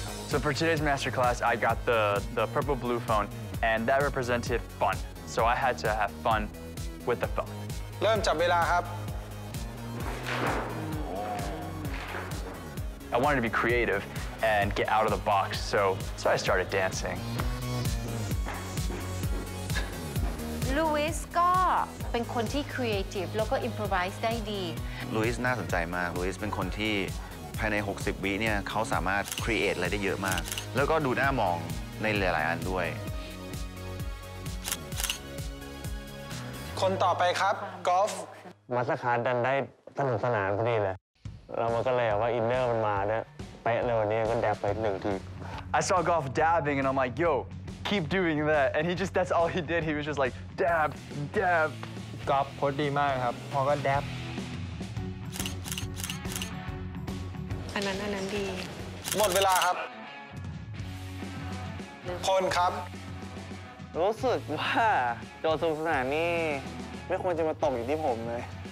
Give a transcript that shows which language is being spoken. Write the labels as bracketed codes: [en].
[en] So for today's masterclass I got the purple blue phone and that represented fun so I had to have fun with the phone [th] เริ่มจับเวลาครับ [en] I wanted to be creative and get out of the box so I started dancing [th] ลูอิสก็เป็นคนที่ creative แล้วก็ improvise ได้ดี ลูอิสน่าสนใจมากลูอิสเป็นคนที่ภายใน60วิเนี่ยเขาสามารถ create อะไรได้เยอะมากแล้วก็ดูหน้ามองในหลายๆอันด้วย คนต่อไปครับกอล์ฟ มาสคาร์ดันได้สนุกสนานพอดีเลยเรามันก็เลยว่าอินเนอร์มันมาเนี่ยไปเลยวันนี้ก็แดบไปหนึ่งที [en] I saw golf dabbing and I'm like yoKeep doing that, and that's all he did. He was just like dab, dab. [th] Golf โคตรดีมากครับ เพราะก็ dab. อันนั้นดี หมดเวลาครับ คนครับ รู้สึกว่าโจทย์สนุกสนานนี่ไม่ควรจะมาตกอยู่ที่ผมเลย